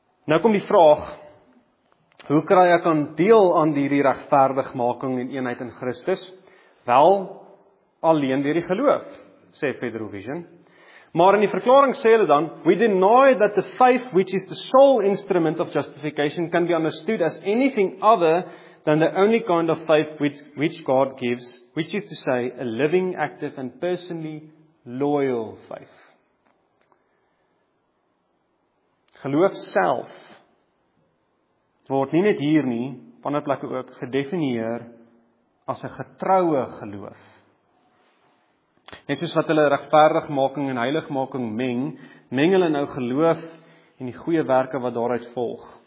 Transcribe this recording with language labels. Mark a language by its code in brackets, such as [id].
[af] Nou kom die vraag, hoe kry ek dan deel aan hierdie regverdigmaking en eenheid in Christus? Wel, alleen deur die geloof, sê Federal Vision. Maar in die verklaring sê hulle dan, [en] we deny that the faith which is the sole instrument of justification can be understood as anything other than the only kind of faith which God gives, which is to say, a living, active and personally loyal faith. [af] Geloof self word nie net hier nie, op ander plekke ook, gedefinieer as 'n getroue geloof. Net soos wat hulle regverdigmaking en heiligmaking meng, meng hulle nou geloof en die goeie werke wat daaruit volg.